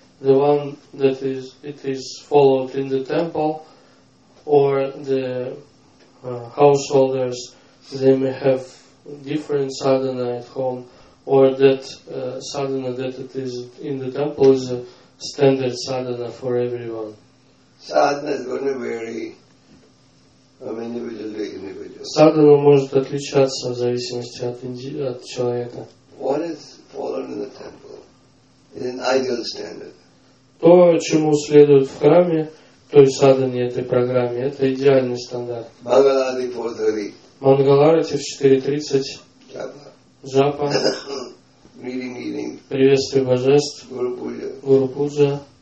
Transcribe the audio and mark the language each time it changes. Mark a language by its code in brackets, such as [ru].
[en] The one that is, it is followed in the temple, or the householders, they may have different sadhana at home, or that sadhana that it is in the temple is a standard sadhana for everyone. Sadhana is going to vary from individual to individual. [ru] Sadhana может отличаться в зависимости от человека. [en] What is followed in the temple is an ideal standard. [ru] То, чему следует в храме, той садхане, этой программе, это идеальный стандарт. Мангаларати в 4.30. Джапа. [en] Meeting. [ru] Приветствие божеств. Гуру Пуджа. Гуру Пуджа.